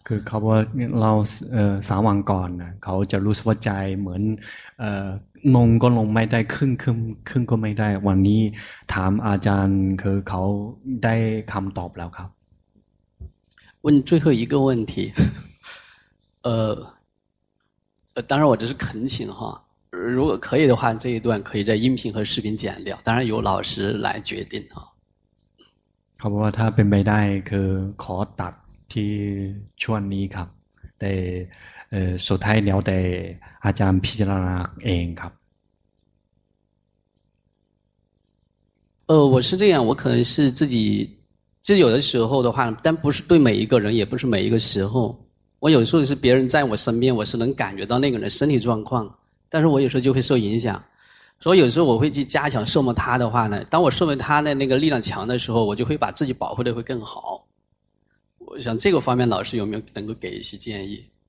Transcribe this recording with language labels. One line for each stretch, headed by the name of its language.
Thai: คือเขาบอกเราสามวันก่อนนะเขาจะรู้สึกว่าใจเหมือนลงก็ลงไม่ได้ขึ้นก็ไม่ได้วันนี้ถามอาจารย์คือเขาได้คำตอบแล้วครับ
Chinese: 问最后一个问题当然我这是恳请哈如果可以的话这一段可以在音频和视频剪掉当然由老师来决定哈
Thai: เขาบอกว่าถ้าเป็นไปได้คือขอตัดที่ช่วงนี้ครับแต่สุดท้ายแล้วแต่อาจารย์พิจารณาเองครับ
Chinese: 我是这样我可能是自己其实有的时候的话但不是对每一个人也不是每一个时候我有时候是别人在我身边我是能感觉到那个人的身体状况但是我有时候就会受影响所以有时候我会去加强摄摩他的话呢当我摄摩他的那个力量强的时候我就会把自己保护得会更好我想这个方面老师有没有能够给一些建议